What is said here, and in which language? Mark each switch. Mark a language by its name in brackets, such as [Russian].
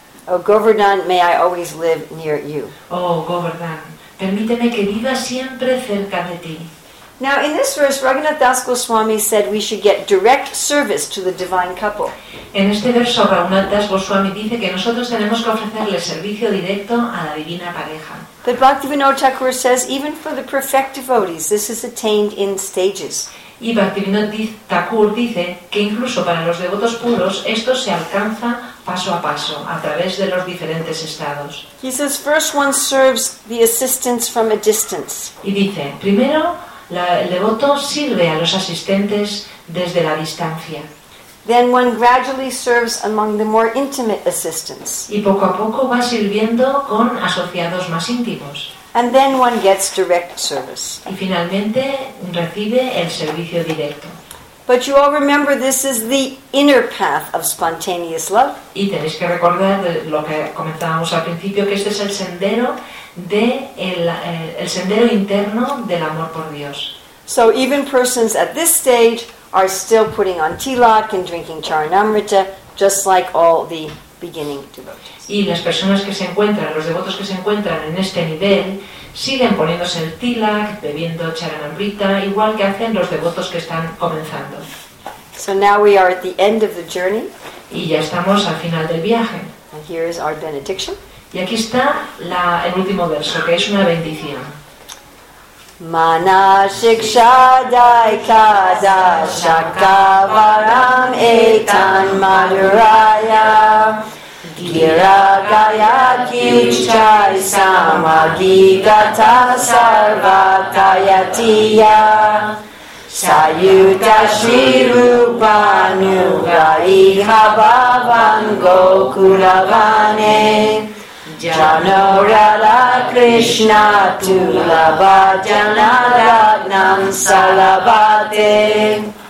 [English] Oh Govardhan, may I always live near you. [Spanish] Oh Govardhan, permíteme que viva siempre cerca de ti. [English] Now in this verse, Raghunath Das Goswami said we should get direct service to the divine couple. [Spanish] En este verso, Raghunath Das Goswami dice que nosotros tenemos que ofrecerle servicio directo a la divina pareja. [English] But Bhaktivinoda Thakur says even for the perfect devotees, this is attained in stages. [Spanish] Y Bhaktivinoda Thakur dice que incluso para los devotos puros, esto se alcanza paso a paso, a través de los diferentes estados. [English] He says first one serves the assistants from a distance. [Spanish] Y dice, primero el devoto sirve a los asistentes desde la distancia. [English] Then one gradually serves among the more intimate assistants. [Spanish] Y poco a poco va sirviendo con asociados más íntimos. [English] And then one gets direct service. [Spanish] Y finalmente recibe el servicio directo. [English] But you all remember this is the inner path of spontaneous love. [Spanish] Y tenéis que recordar lo que comentábamos al principio, que este es el sendero de el sendero interno del amor por Dios. [English] So even persons at this stage are still putting on tilak and drinking charanamrita, just like all the beginning devotees. [Spanish] Y las personas que se encuentran, los devotos que se encuentran en este nivel, siguen poniéndose el tilak, bebiendo charanamrita, igual que hacen los devotos que están comenzando. [English] So now we are at the end of the journey. [Spanish] Y ya estamos al final del viaje. [English] And here is our benediction. [Spanish] Y aquí está el último verso, que es una bendición. [Sanskrit] Mana shiksha dai kada shakavaram etan maduraya gira gaya kichai samagigata sarvatayatiya sayuta shirupanuga ihabavan gokuravane Jano Radha Krishna Tulava Jana Ragnam Salabhate.